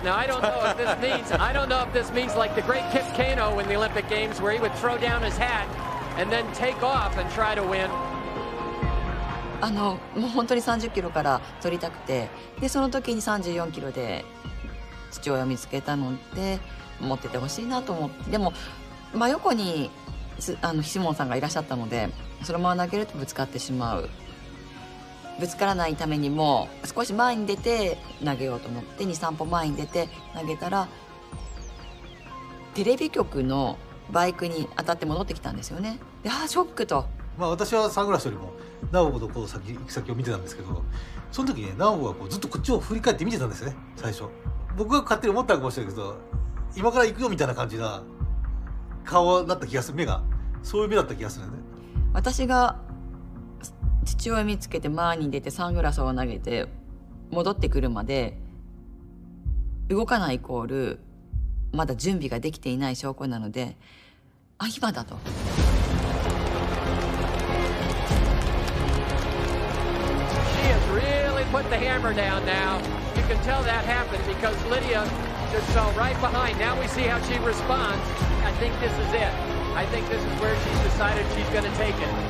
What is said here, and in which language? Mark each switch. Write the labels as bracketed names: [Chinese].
[English] Now I don't know if this means like the great Kip Kano in the Olympic Games, where he would throw down his hat and then take off and try to win. [Japanese] あのもう本当に30キロから取りたくて、でその時に34キロで父親を見つけたので持っててほしいなと思って、でも真横にあの岸本さんがいらっしゃったので、そのまま投げるとぶつかってしまう。ぶつからないためにも少し前に出て投げようと思って2、3歩前に出て投げたら、テレビ局のバイクに当たって戻ってきたんですよね。いやショックと、まあ、私はサングラスよりも直子のこう先行き先を見てたんですけど、その時ね、直子がこうずっとこっちを振り返って見てたんですね。最初僕が勝手に思ったかもしれないけど、今から行くよみたいな感じな顔だった気がする。目がそういう目だった気がするね。私が父親見つけて前に出てサングラスを投げて戻ってくるまで動かないイコールまだ準備ができていない証拠なので、あ今だと。 [English] She has really put the hammer down now. You can tell that happened because Lydia just fell right behind. Now we see how she responds. I think this is it. I think this is where she's decided she's going to take it.